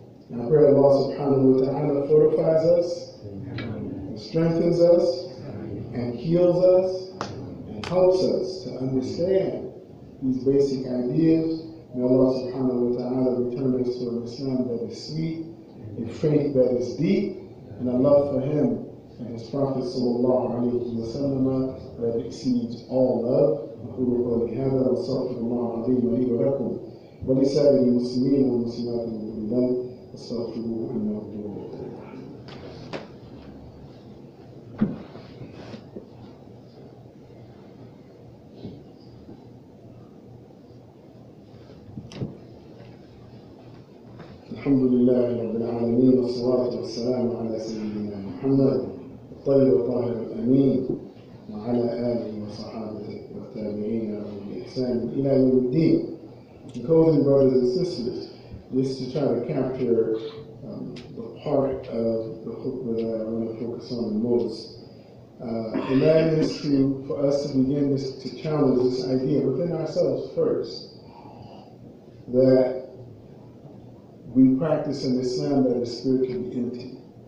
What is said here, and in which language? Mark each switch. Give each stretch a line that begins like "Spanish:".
English: And I pray Allah subhanahu wa ta'ala fortifies us, and strengthens us, and heals us, and helps us to understand these basic ideas. May Allah subhanahu wa ta'ala return us to an Islam that is sweet, a faith that is deep, and a love for him and his Prophet sallallahu alayhi wa sallam that exceeds all love.
Arabic: أقول قولي هذا وأستغفر الله العظيم لي ولكم ولسائر المسلمين والمسلمات المؤمنين أستغفروه إنه هو الحمد لله رب العالمين والصلاة والسلام على سيدنا محمد الطيب الطاهر الأمين وعلى آله وصحابته والتابعين لهم بإحسان إلى يوم الدين.
English: In closing, brothers and sisters, just to try to capture the part of the khutbah that I want to focus on the most, and that is for us to begin to challenge this idea within ourselves first, that we practice an Islam that is spiritually empty.